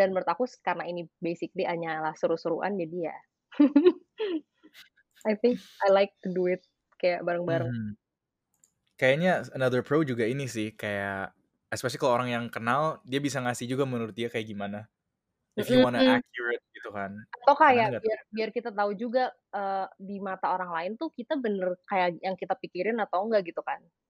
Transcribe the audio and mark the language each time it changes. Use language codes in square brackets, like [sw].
[id] Dan menurut aku karena ini basically hanyalah seru-seruan jadi ya. [en] I think I like to do it [id] kayak bareng-bareng. Kayaknya [en] another pro [id] juga ini sih. Kayak especially kalau orang yang kenal dia bisa ngasih juga menurut dia kayak gimana. [en] If you wanna accurate [id] gitu kan. Atau kayak biar kita tahu juga di mata orang lain tuh kita bener kayak yang kita pikirin atau enggak gitu kan.